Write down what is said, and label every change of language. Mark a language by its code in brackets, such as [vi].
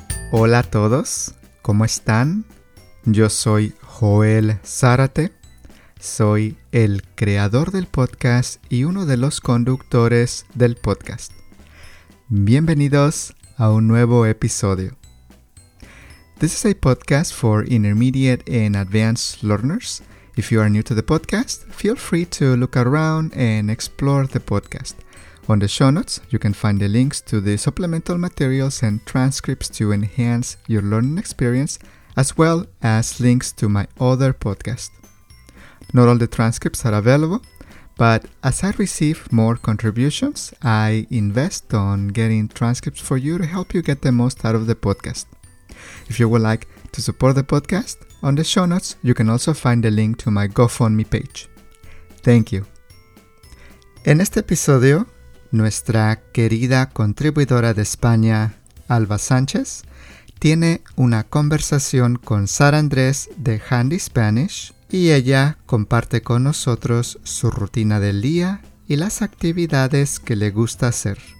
[es] Hola a todos, ¿cómo están? Yo soy Joel Zárate, soy el creador del podcast y uno de los conductores del podcast. Bienvenidos a un nuevo episodio. [en] This is a podcast for intermediate and advanced learners. If you are new to the podcast, feel free to look around and explore the podcast. On the show notes, you can find the links to the supplemental materials and transcripts to enhance your learning experience, as well as links to my other podcast. Not all the transcripts are available, but as I receive more contributions, I invest on getting transcripts for you to help you get the most out of the podcast. If you would like to support the podcast, on the show notes, you can also find the link to my GoFundMe page. Thank you. [es] En este episodio, nuestra querida contribuidora de España, Alba Sánchez, tiene una conversación con Sara Andrés de Handy Spanish y ella comparte con nosotros su rutina del día y las actividades que le gusta hacer.